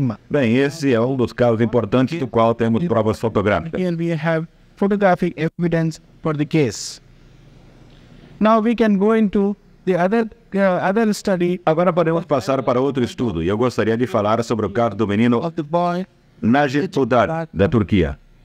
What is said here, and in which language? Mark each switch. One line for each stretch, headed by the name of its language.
Portuguese: Bem, esse é um dos casos importantes do qual temos provas fotográficas.
English: Photographic evidence for the case. Now we can go into the other study.
Portuguese: Agora podemos passar para outro estudo, e eu gostaria de falar sobre o caso do menino Najipudar, da Turquia.